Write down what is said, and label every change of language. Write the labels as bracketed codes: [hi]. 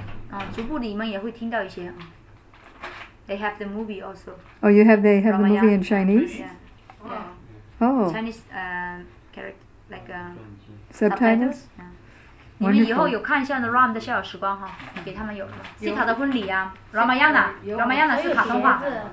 [zh] 啊，逐步你们也会听到一些。 [en] They have the movie also. Oh, you have they have the movie in Chinese? Yeah. Oh. Chinese character like subtitles. [zh] 你们以后有看一下的 Ram 的逍遥时光哈，给他们有。西塔的婚礼啊 ，Ramayana 是卡通画。